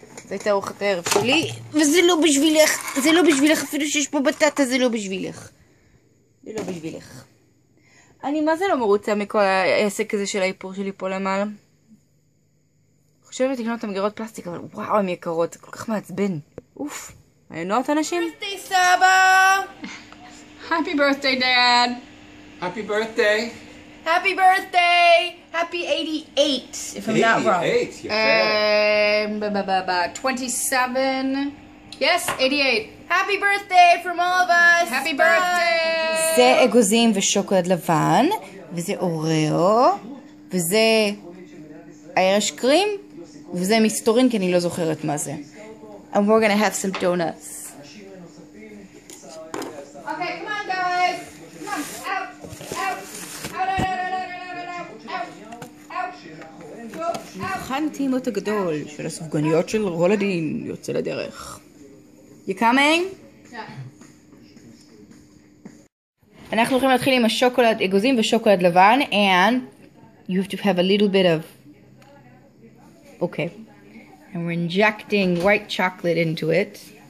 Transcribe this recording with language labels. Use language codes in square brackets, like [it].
[he] זה הייתה ארוחת הערב שלי, וזה לא בשבילך, זה לא בשבילך, אפילו שיש פה בטטה, זה לא בשבילך. זה לא בשבילך. אני מה זה לא מרוצה מכל העסק הזה של האיפור שלי פה למעלה? חושבת לקנות את המגירות פלסטיק, אבל וואו, הן יקרות, זה כל כך מעצבן. אוף, מעיינות אנשים? [en] Happy birthday, סבא! Happy birthday, דאד! Happy birthday! Happy birthday! Happy 88, if I'm not wrong. 88, you're fair. 27. Yes, 88. Happy birthday from all of us. Happy birthday. [he] זה אגוזים ושוקולד לבן, וזה אוריאו, וזה הירש קרים, וזה מסתורין, כי אני לא זוכרת מה זה. [en] And we're gonna have some donuts. [he] הכנתי עם אותו גדול של הסופגניות של רולדין יוצא לדרך. [en] You coming? Yeah. [he] אנחנו הולכים להתחיל עם השוקולד אגוזים ושוקולד לבן, [en] and you have to have a little bit of... Okay. And we're injecting white chocolate into it.